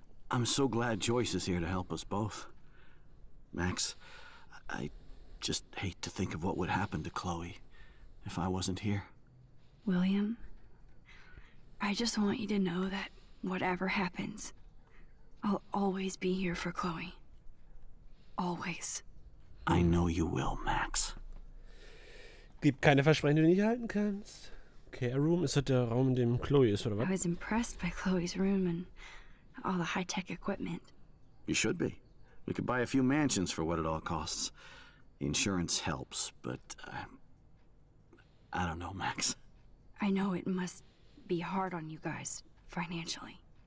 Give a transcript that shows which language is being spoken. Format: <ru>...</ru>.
<en>I'm so glad Joyce is here to help us both. Max, I just hate to think of what would happen to Chloe if I wasn't here. William, I just want you to know that whatever happens, I'll always be here for Chloe. Always. I know you will, Max.</en> <de>Gib keine Versprechen, die du nicht halten kannst. Okay,</de> <en>a room,</en> <de>ist das der Raum, in dem Chloe ist, oder was?</de> <en>I was impressed by Chloe's room and all the high-tech equipment. You should be. We could buy a few mansions for what it all costs. Insurance helps, but I don't know, Max. I know it must be hard on you guys, financially.</en>